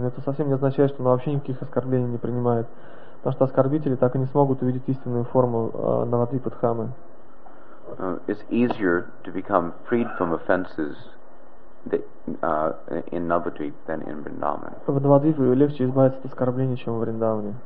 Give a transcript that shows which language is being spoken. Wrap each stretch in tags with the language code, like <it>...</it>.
<ru>Но это совсем не означает, что она вообще никаких оскорблений не принимает. Потому что оскорбители так и не смогут увидеть истинную форму Навадвипа Дхамы.</ru> <en>It's easier to become freed from offenses in Navadvip than in Vrindavan.</en> <ru>В Навадвипе легче избавиться от оскорблений, чем в Вриндаване.</ru>